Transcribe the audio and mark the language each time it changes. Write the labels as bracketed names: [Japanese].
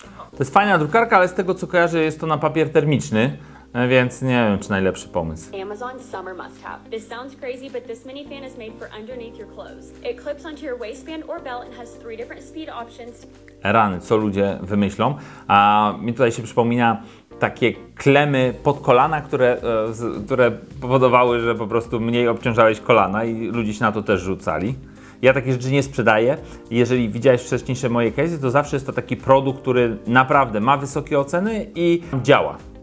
[Polish] To jest fajna drukarka, ale z tego co kojarzę, jest to na papier termiczny. Więc nie wiem, czy najlepszy pomysł. [English] Amazon Summer Must Have. This sounds crazy, but this mini fan is made for underneath your clothes. It clips onto your waistband or belt and has three different speed options. [Polish] Rany, co ludzie wymyślą. A mi tutaj się przypomina takie klemy pod kolana, które powodowały, że po prostu mniej obciążałeś kolana i ludzie się na to też rzucali. Ja takie rzeczy nie sprzedaję. Jeżeli widziałeś wcześniejsze moje case'y, to zawsze jest to taki produkt, który naprawdę ma wysokie oceny i działa.